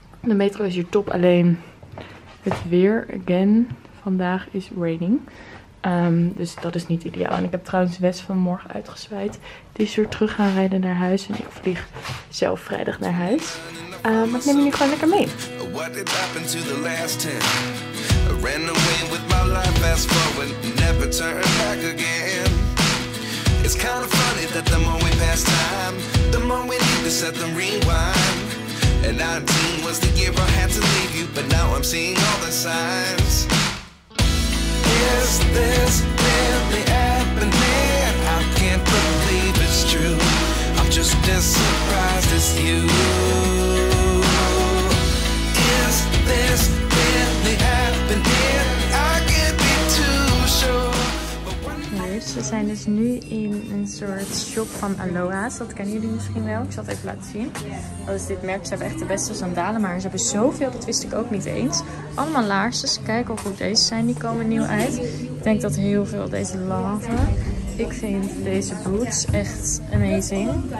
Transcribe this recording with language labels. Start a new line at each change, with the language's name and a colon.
Dutch: De metro is hier top, alleen het weer, again, vandaag is raining. Dus dat is niet ideaal. En ik heb trouwens Wes vanmorgen uitgezwaaid. Die is weer terug gaan rijden naar huis. En ik vlieg zelf vrijdag naar huis. Maar ik neem jullie gewoon lekker mee.
English: What did happen to the last 10? I ran away with my life fast forward. Never turn back again. It's kind of funny that the more we pass time, the more we need to set them rewind. And 19 was the year I had to leave you. But now I'm seeing all the signs. Is this really happening? I can't believe it's true. I'm just as surprised as you. Is this really happening? I can't be too sure.
Dutch: Dus we zijn dus nu in een soort shop van Aloha's. Dat kennen jullie misschien wel. Ik zal het even laten zien. Dat is dit merk. Ze hebben echt de beste sandalen, maar ze hebben zoveel. Dat wist ik ook niet eens. Allemaal laarsjes. Kijk hoe goed deze zijn. Die komen nieuw uit. Ik denk dat heel veel deze laven. Ik vind deze boots echt amazing.